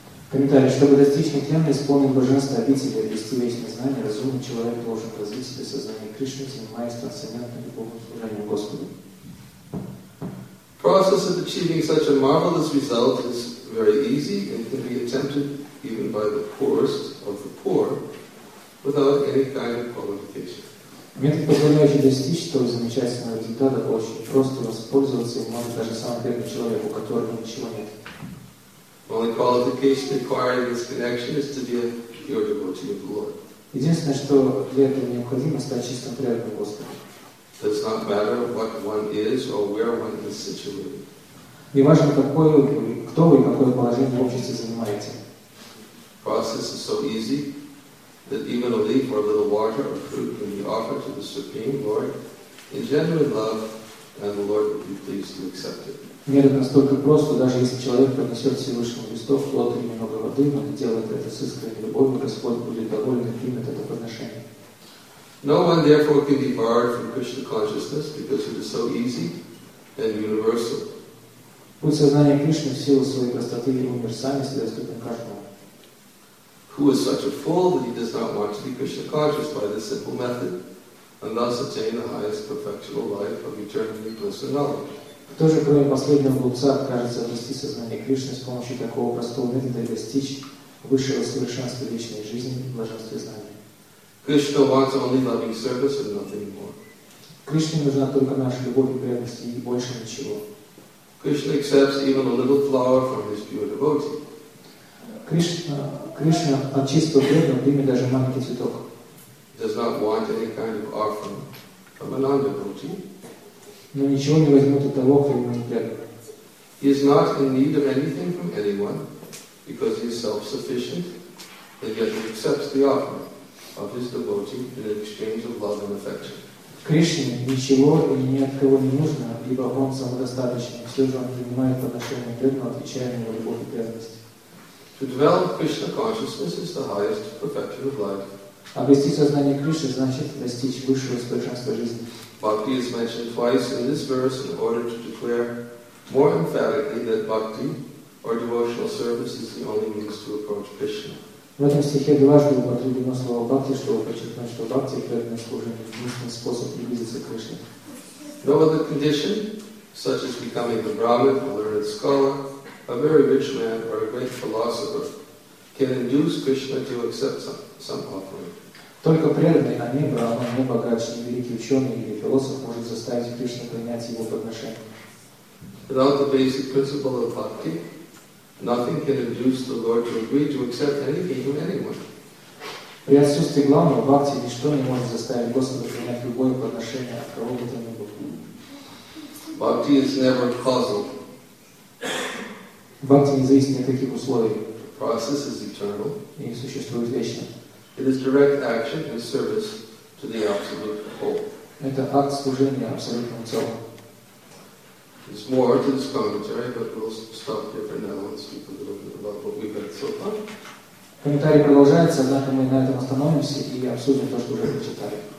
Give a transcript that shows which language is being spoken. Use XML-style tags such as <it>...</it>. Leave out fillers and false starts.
<ru>Комментарий. Чтобы достичь нетленной, исполнить божественные обители, обрести вечное знание, разумный человек должен развить себе сознание Кришны, занимаясь трансцендентным любовным служением Господу.</ru> <en>Process of achieving such a marvelous result is very easy and can be attempted even by the poorest of the poor without any kind of qualification.</en> <ru>Метод, позволяющий достичь столь замечательного результата, очень просто воспользоваться им может даже самый бедный человек, у которого ничего нет.</ru> <en>The only qualification required in this connection is to be a pure devotee of the Lord.</en> <ru>Единственное, что для этого необходимо, стать чистым преданным Господу.</ru> <en>It does not matter what one is or where one is situated.</en> <ru>Не важно, какой вы, кто вы и какое положение в обществе занимаете.</ru> <en>Process is so easy that even a leaf or a little water or fruit can be offered to the Supreme Lord in genuine love, and the Lord will be pleased to accept it.</en> <ru>Метод настолько прост, даже если человек принесет Всевышнему листов, плод или немного воды, но он делает это с искренней любовью, Господь будет доволен и примет это подношение.</ru> <en>No one therefore can be barred from Krishna consciousness because it is so easy and universal.</en> <ru>Путь сознания Кришны в силу своей простоты и универсальности доступен каждому.</ru> <en>Who is such a fool that he does not want to be Krishna conscious by this simple method and thus attain the highest perfectual life of eternally blissful knowledge?</en> <ru>Кто же, кроме последнего глупца, откажется обрести сознание Кришны с помощью такого простого метода и достичь высшего совершенства личной жизни и блаженства знания?</ru> <en>Krishna wants only loving service and nothing more.</en> <ru>Кришне нужна только наша любовь и преданность и больше ничего.</ru> <en>Krishna accepts even a little flower from his pure devotee.</en> <ru>Кришна от чистого преданного примет даже маленький цветок.</ru> <en>Does not want any kind of offering from a non-devotee.</en> <ru>Но ничего не возьмет от того, кто ему не предан.</ru> <en>He is not in need of anything from anyone, because he is self-sufficient, and yet he accepts the offer of his devotee in an exchange of love and affection.</en> <ru>Кришне ничего и ни от кого не нужно, ибо он самодостаточен. Все же он принимает отношение преданного, отвечая на его любовь и преданность.</ru> <en>To develop Krishna consciousness is the highest perfection of life.</en> <ru>Обрести сознание Кришны значит достичь высшего совершенства жизни.</ru> <en>Bhakti is mentioned twice in this verse in order to declare more emphatically that bhakti or devotional service is the only means to approach Krishna.</en> <ru>В этом стихе дважды употреблено слово бхакти, чтобы подчеркнуть, что бхакти и преданное служение – единственный способ приблизиться к Кришне.</ru> <en>No other condition, such as becoming a Brahmin, a learned scholar, a very rich man, or a great philosopher, can induce Krishna to accept some offering.</en> <ru>Только преданный на небо, а не богач, не великий ученый или философ может заставить Кришну принять его подношение.</ru> <en>Without the basic principle of bhakti, nothing can induce the Lord to agree to accept anything from anyone.</en> <ru>При отсутствии главного бхакти ничто не может заставить Господа принять любое подношение от кого бы то ни было.</ru> <en>Bhakti is never causal.</en> <ru>Бхакти не зависит ни от каких условий.</ru> <en>The process is eternal.</en> <ru>И существует вечно.</ru> <en>It is direct action and service to the absolute whole.</en> <ru>Это акт служения абсолютному целому.</ru> <en>There's more to this commentary, but we'll stop here for now and speak a little bit about what we've read so far.</en> <ru>Комментарий продолжается, однако мы на этом остановимся и обсудим то, что уже прочитали.</ru>